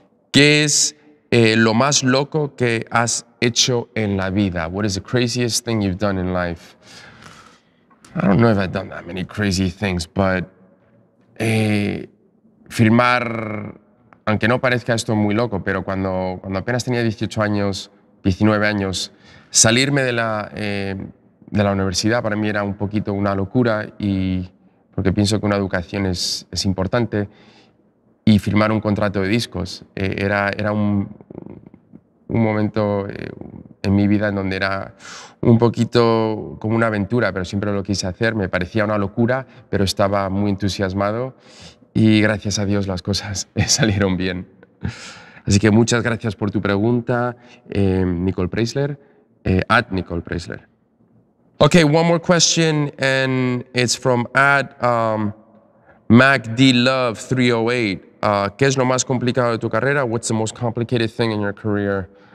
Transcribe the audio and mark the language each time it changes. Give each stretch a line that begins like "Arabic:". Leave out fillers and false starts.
Spanish: ¿Qué es lo más loco que has hecho en la vida?
English: What is the craziest thing you've done in life? I don't know if I've done that many crazy things, but
Spanish: firmar, aunque no parezca esto muy loco, pero cuando apenas tenía 18 años, 19 años, salirme de la universidad para mí era un poquito una locura, y porque pienso que una educación es importante, y firmar un contrato de discos. Era un momento en mi vida en donde era un poquito como una aventura, pero siempre lo quise hacer. Me parecía una locura, pero estaba muy entusiasmado. Y gracias a Dios las cosas salieron bien. Así que muchas gracias por tu pregunta, Nicole Preisler, at Nicole Preisler.
English: Okay, one more question, and it's from at MacDLove308.
Spanish: ¿Qué es lo más complicado de tu carrera?
English: What's the most complicated thing in your career?